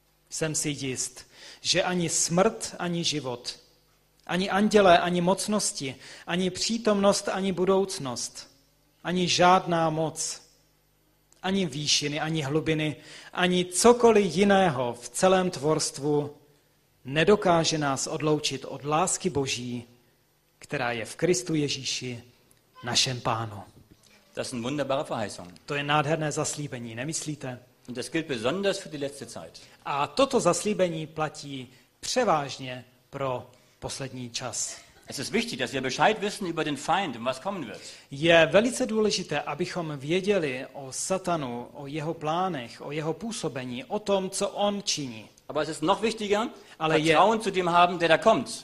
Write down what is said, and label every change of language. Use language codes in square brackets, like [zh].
[cs] Jsem si jist, že ani smrt, ani život, ani andělé, ani mocnosti, ani přítomnost, ani budoucnost, ani žádná moc, ani výšiny, ani hlubiny, ani cokoliv jiného v celém tvorstvu nedokáže nás odloučit od lásky Boží, která je v Kristu Ježíši, našem Pánu. [de] Das sind wunderbare Verheißungen. [cs] To je nádherné zaslíbení, nemyslíte? [de] Und das gilt besonders für die letzte Zeit. [cs] A toto zaslíbení platí převážně pro poslední čas. [de] Es ist wichtig, dass wir Bescheid wissen über den Feind, was kommen wird. [cs] Je velice důležité, abychom věděli o Satanu, o jeho plánech, o jeho působení, o tom, co on činí. [de] Aber es ist noch wichtiger, Vertrauen zu dem haben, der da kommt.